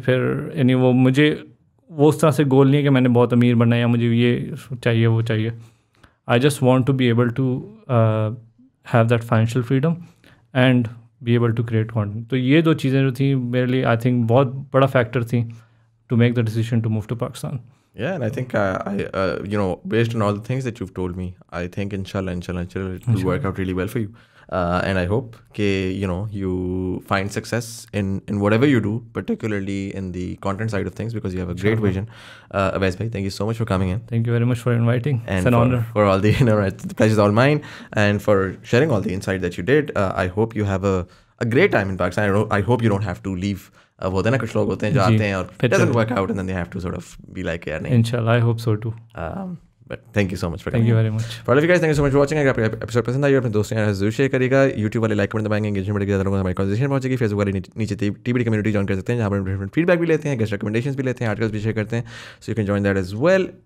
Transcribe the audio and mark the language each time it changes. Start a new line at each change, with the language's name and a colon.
Urdu: پھر یعنی وہ مجھے وہ اس طرح سے گول نہیں ہے کہ میں نے بہت امیر بننا ہے یا مجھے یہ چاہیے وہ چاہیے.
English: I just want to be able to have that financial freedom and be able to create content.
Urdu: تو یہ دو چیزیں جو تھیں میرے لیے
English: I think
Urdu: بہت بڑا فیکٹر تھیں
English: To make the decision to move to Pakistan. Yeah, and I think you know, based on all the things that you've told me, I think inshallah it will work out really well for you. And I hope ke you know you find success in whatever you do, particularly in the content side of things, because you have a great vision. Owais bhai, thank you so much for coming in. Thank you very much for inviting. It's an honor. For all the you know, the pleasure is all mine, and for sharing all the insight that you did. I hope you have a great time in Pakistan. I hope you don't have to leave.
Urdu: وہ ہوتے ہیں نا کچھ لوگ ہوتے ہیں جو آتے ہیں اور
English: doesn't work out and then they have to sort of be like
Urdu: یار نہیں
English: انشاءاللہ I hope so too but thank you so much for thank you very much for all of you guys thank you so much watching.
Urdu: اگر آپ کو episode پسند آئی ہو اپنے دوستوں کے ساتھ شیئر کرے گا یوٹیوب والے لائک بٹن دبائیں گے انگیجمنٹ بڑھے گی زیادہ لوگوں کو ہماری کنورسیشن پہنچے گی. فیس بک والے نیچے T B D community join کر سکتے ہیں جہاں پر ڈفرنٹ فیڈ بیک بھی لیتے ہیں گیسٹ ریکمنڈیشنز بھی لیتے ہیں آرٹیکلس بھی شیئر کرتے ہیں
English: So you can join that as well.